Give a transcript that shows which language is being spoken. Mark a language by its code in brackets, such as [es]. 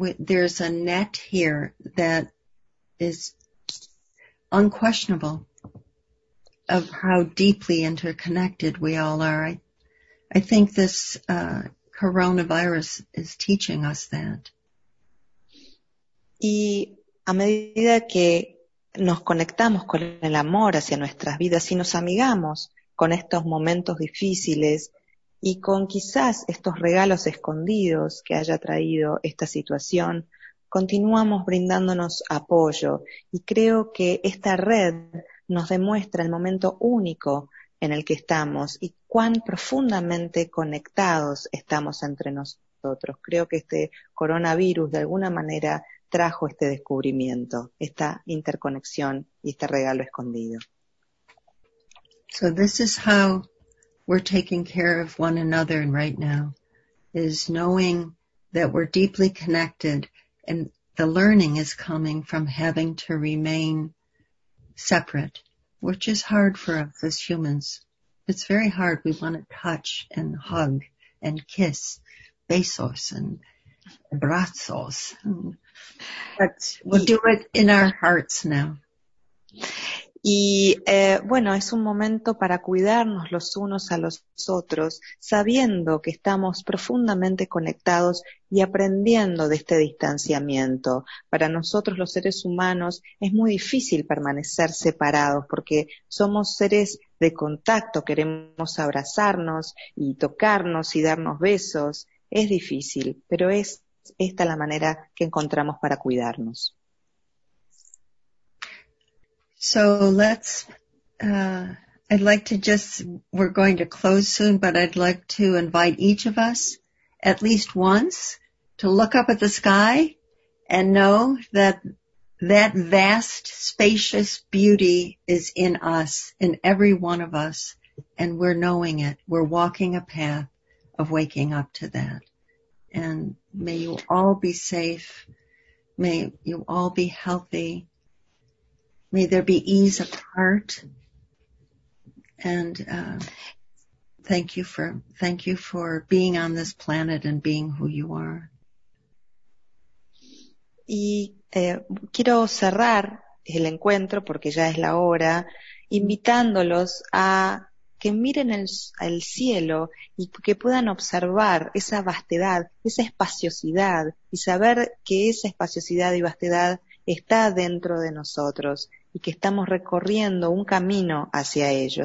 [en] There's a net here that is unquestionable of how deeply interconnected we all are. I think this coronavirus is teaching us that. [es] Y a medida que nos conectamos con el amor hacia nuestras vidas y nos amigamos con estos momentos difíciles y con quizás estos regalos escondidos que haya traído esta situación, continuamos brindándonos apoyo y creo que esta red nos demuestra el momento único en el que estamos y cuán profundamente conectados estamos entre nosotros. Creo que este coronavirus de alguna manera trajo este descubrimiento, esta interconexión y este regalo escondido. [en] So this is how we're taking care of one another right now, is knowing that we're deeply connected, and the learning is coming from having to remain separate, which is hard for us as humans. It's very hard. We want to touch and hug and kiss, [es] besos [en] and [es] abrazos. [en] But we'll do it in our hearts now. [es] Y bueno, es un momento para cuidarnos los unos a los otros, sabiendo que estamos profundamente conectados y aprendiendo de este distanciamiento. Para nosotros los seres humanos es muy difícil permanecer separados porque somos seres de contacto, queremos abrazarnos y tocarnos y darnos besos. Es difícil, pero es esta la manera que encontramos para cuidarnos. [en] So let's, I'd like to just, we're going to close soon, but I'd like to invite each of us at least once to look up at the sky and know that that vast, spacious beauty is in us, in every one of us, and we're knowing it. We're walking a path of waking up to that. And may you all be safe. May you all be healthy. May there be ease of heart, and thank you for being on this planet and being who you are. [es] Y quiero cerrar el encuentro porque ya es la hora, invitándolos a que miren el cielo y que puedan observar esa vastedad, esa espaciosidad, y saber que esa espaciosidad y vastedad está dentro de nosotros y que estamos recorriendo un camino hacia ello.